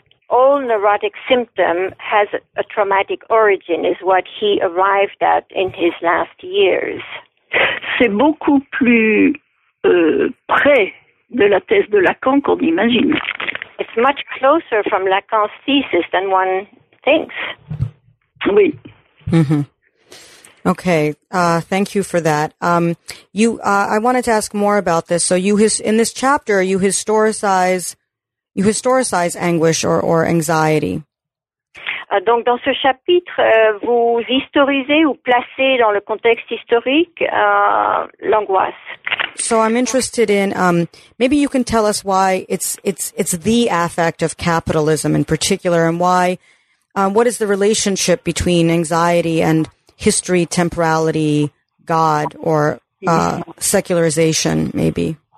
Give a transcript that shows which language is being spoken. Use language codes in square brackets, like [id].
[en] All neurotic symptom has a traumatic origin is what he arrived at in his last years. [fr] C'est beaucoup plus près de la thèse de Lacan qu'on imagine. [en] It's much closer from Lacan's thesis than one thinks. [fr] Oui. [en] Okay, thank you for that. I wanted to ask more about this. So in this chapter you historicize anguish or anxiety. [fr] Donc dans ce chapitre vous historisez ou placez dans le contexte historique l'angoisse. [en] So I'm interested in maybe you can tell us why it's the affect of capitalism in particular and why what is the relationship between anxiety and history, temporality, God, or secularization, maybe?